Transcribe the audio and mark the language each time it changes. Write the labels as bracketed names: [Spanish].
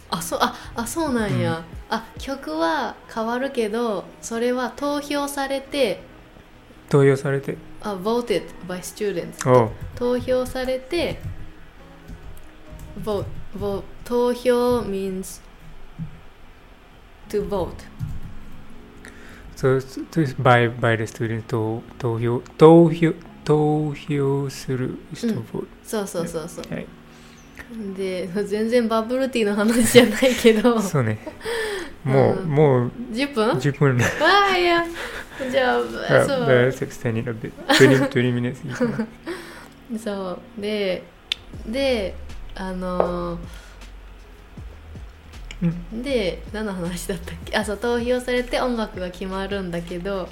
[Japanese] あ、そうなんや、うん、あ、曲は変わるけど、それは投票されて、あ、 [English] voted by students、 [Japanese] 投票されて、投票 [English] means to vote。 So it's by the students、 [Japanese] 投票する人、うん、そう、はい、で、全然バブルティーの話じゃないけど。そうね、もう 10分。わあ、いや、じゃあ、そう、 [English] extending a bit、 20 minutes。 [Japanese] そうで、で、何の話だったっけ。あ、そう、投票されて音楽が決まるんだけど、